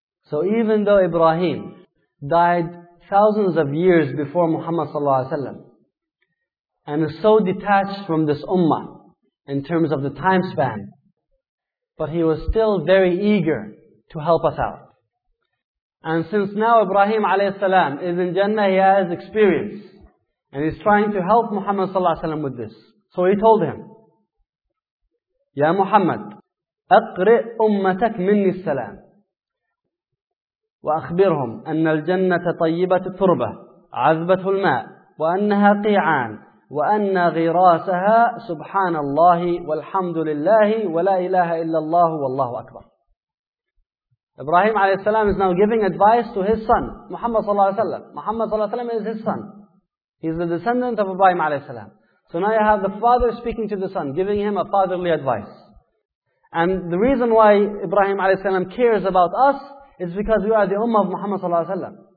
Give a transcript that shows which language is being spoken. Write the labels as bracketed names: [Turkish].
[English] So even though Ibrahim died thousands of years before Muhammad sallallahu alaihi wasallam, and is so detached from this ummah in terms of the time span, but he was still very eager to help us out. And since now Ibrahim alayhi salam is in Jannah, he has experience, and he's trying to help Muhammad sallallahu alaihi wasallam with this. So he told him, [Arabic] Ya Muhammad, أقرئ أمتك مني السلام وأخبرهم أن الجنة طيبة التربة عذبة الماء وأنها قيعان وأن غراسها سبحان الله والحمد لله ولا إله إلا الله والله أكبر. [English] Ibrahim [Arabic] عليه السلام [English] is now giving advice to his son Muhammad [Arabic] صلى الله عليه وسلم. [English] Muhammad [Arabic] صلى الله عليه وسلم [English] is his son. He is the descendant of Ibrahim [Arabic] عليه السلام. [English] So now you have the father speaking to the son, giving him a fatherly advice. And the reason why Ibrahim alayhi salam cares about us is because we are the ummah of Muhammad sallallahu alayhi wasallam.